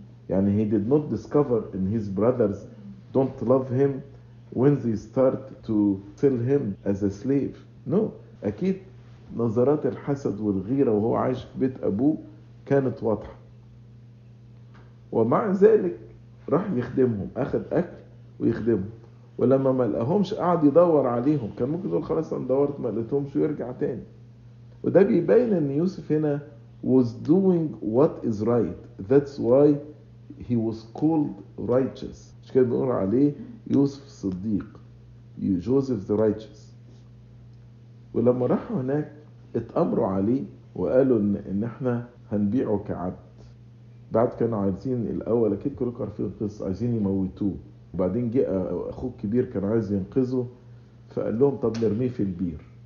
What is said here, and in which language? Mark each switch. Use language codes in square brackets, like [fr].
[en] يعني he did not discover in his brothers don't love him when they start to sell him as a slave. [ar] نو أكيد نظرات الحسد والغيرة وهو عايش في بيت أبوه كانت واضحة، ومع ذلك راح يخدمهم، أخذ أكل ويخدمهم، ولما ما لقاهمش قعد يدور عليهم، كان ممكن يقول خلاص أنا دورت ما لقيتهمش ويرجع تاني. وده بيبين أن يوسف هنا [en] was doing what is right, that's why he was called righteous. [ar] مش كده بيقول عليه يوسف الصديق، [en] Joseph the righteous. [ar] ولما راحوا هناك اتأمروا عليه وقالوا ان احنا هنبيعه كعبد. بعد كانوا عايزين الاول، اكيد كلكم عارفين القصة، عايزين يموتوه، وبعدين جاء اخوه الكبير كان عايز ينقذه، فقال لهم طب نرميه في البير.